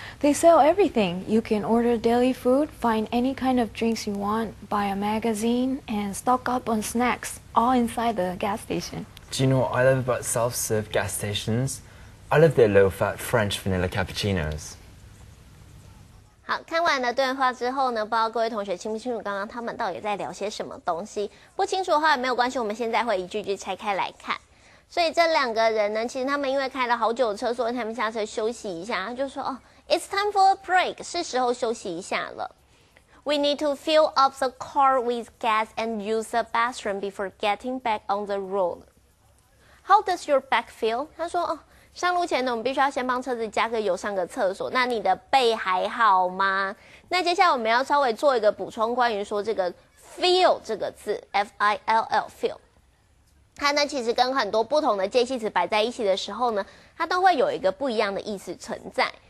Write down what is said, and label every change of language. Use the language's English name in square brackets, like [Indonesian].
[English] They sell everything. You can order daily food, find any kind of drinks you want, buy a magazine, and stock up on snacks, all inside the gas station. Do you know what I love about self-serve gas stations? I love their low-fat French vanilla cappuccinos. [Chinese] 好，看完了对话之后呢，不知道各位同学清不清楚刚刚他们到底在聊些什么东西？不清楚的话也没有关系，我们现在会一句句拆开来看。所以这两个人呢，其实他们因为开了好久的车，所以他们下车休息一下，就说哦 ， [English] It's time for a break， [Chinese] 是时候休息一下了。 [English] We need to fill up the car with gas and use the bathroom before getting back on the road. How does your back feel？ [Chinese] 他说哦，上路前呢，我们必须要先帮车子加个油，上个厕所。那你的背还好吗？那接下来我们要稍微做一个补充，关于说这个 fill 这个字 ，F-I-L-L fill。它呢其实跟很多不同的介系词摆在一起的时候呢，它都会有一个不一样的意思存在。